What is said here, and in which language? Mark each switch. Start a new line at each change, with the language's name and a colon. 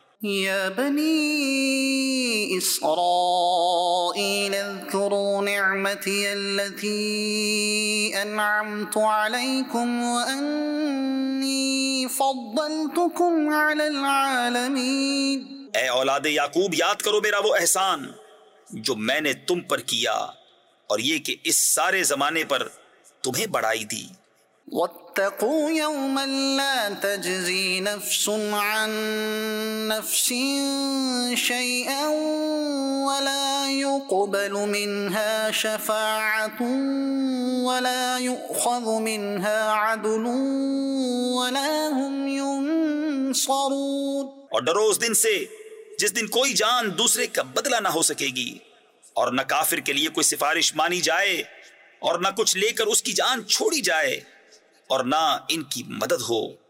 Arabic: یا بنی اسرائیل اذکروا نعمتی التي انعمت علیکم وانی فضلتکم علی العالمین،
Urdu: اے اولاد یعقوب یاد کرو میرا وہ احسان جو میں نے تم پر کیا اور یہ کہ اس سارے زمانے پر تمہیں بڑائی دی۔
Arabic: واتقوا يوما لا تجزي نفس عن نفس شيئا ولا يقبل منها شفاعة ولا يؤخذ منها عدل ولا هم ينصرون،
Urdu: اور ڈرو اس دن سے جس دن کوئی جان دوسرے کا بدلہ نہ ہو سکے گی، اور نہ کافر کے لیے کوئی سفارش مانی جائے، اور نہ کچھ لے کر اس کی جان چھوڑی جائے، اور نہ ان کی مدد ہو۔